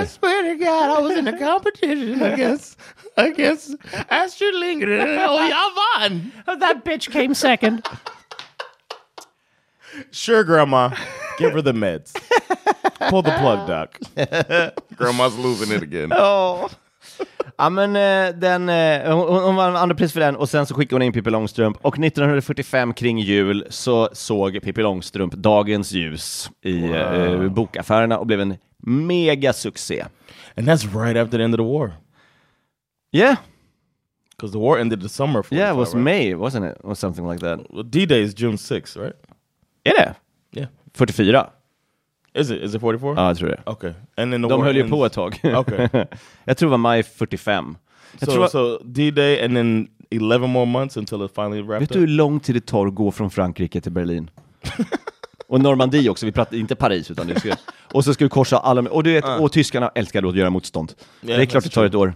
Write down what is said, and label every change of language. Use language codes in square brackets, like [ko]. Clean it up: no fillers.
[en] I swear to God, I was in a competition against Astrid Lindgren. [sv] Oh, jag vann. [en] That bitch came second. Sure, grandma. Give her the meds. Pull the plug, doc. Grandma's losing it again. Oh. [sv] Ja, men hon var andra pris för den. Och sen så skickade hon in Pippi Långstrump. Och 1945 kring jul så såg Pippi Långstrump dagens ljus i bokaffärerna och blev en mega succé. [en] And that's right after the end of the war. Yeah. Because the war ended the summer. Yeah, it was May, wasn't it? Or something like that. Well, D-Day is June 6, right? [sv] Är det? [en] Yeah. 44. Is it 44? [sv] Ja, jag tror det. [en] Okay. And then [sv] de höll ju på ett tag. [en] Okay. [sv] Jag tror det var maj 45. [en] So D-Day and then 11 more months until it finally wrapped [sv] up? Vet du hur lång tid det tar att gå från Frankrike till Berlin? Och Normandie också. Vi pratar inte Paris. Utan det ska, och så ska du korsa alla. Och du vet, och tyskarna älskar att göra motstånd. [en] Yeah, [sv] det är klart det tar ett år.